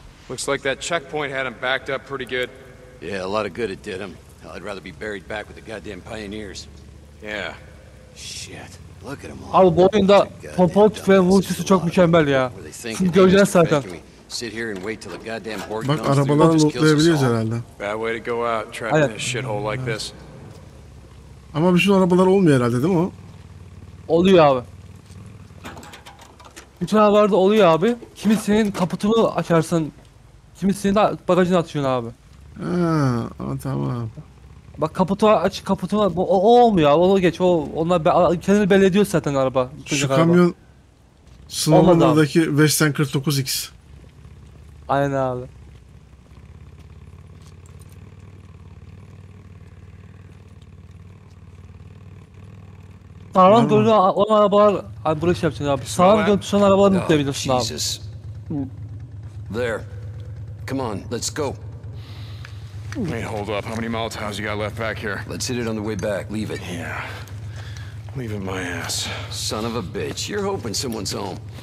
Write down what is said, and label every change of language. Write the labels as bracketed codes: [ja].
[en] Looks like that checkpoint had him backed up pretty good. Yeah, a lot of good it did him. Hell, I'd rather be buried back with the goddamn pioneers. Yeah. Shit. Look at him all. [tr] Abi bu oyunda pompalı tüfeğin vuruşu çok mükemmel ya. Şimdi göreceğiz zaten. [en] Sit here and wait till the goddamn horde comes. [tr] Bak arabalar lootlayabiliyoruz herhalde. [en] Bad way to go out trapped in a shithole like this. [tr] Ama bütün arabalar olmuyor herhalde, değil mi o? Oluyor abi. Bütün havalarda oluyor abi. Kimi senin kaputunu açarsın. Kimi senin de bagajını atıyorsun abi. Haa tamam. Bak kaputu aç, kaputunu aç. O olmuyor abi. O geç. O onlar kendini belli ediyor zaten araba. Şu kamyon Snowman'daki Western 49X. Aynen abi. Sağlam görüntü olan arabalar, hani burayı şey yapacaksın abi. Sağlam görüntü olan arabaları mutlu edebilirsin abi. [en] There. Come on, let's go. Wait, hold up. How many Molotovs you got left back here? Let's hit it on the way back. Leave it. Yeah. Leave it my ass. Son of a bitch. You're hoping someone's home.